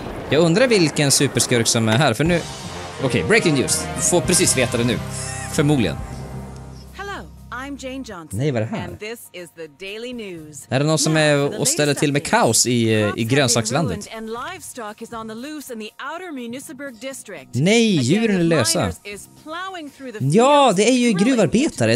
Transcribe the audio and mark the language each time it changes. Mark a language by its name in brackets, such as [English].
[Swedish] Jag undrar vilken superskurk som är här, för nu... Okej, [English] breaking news. [Swedish] Får precis veta det nu. Förmodligen. [English] Hello, I'm Jane Johnson. [Swedish] Nej, vad är det här? [English] And this is the Daily News. [Swedish] Är det någon som är och ställer till med kaos i grönsakslandet? [English] And livestock is on the loose in the outer Munisburg district. [Swedish] Nej, djuren är lösa. Ja, det är ju gruvarbetare.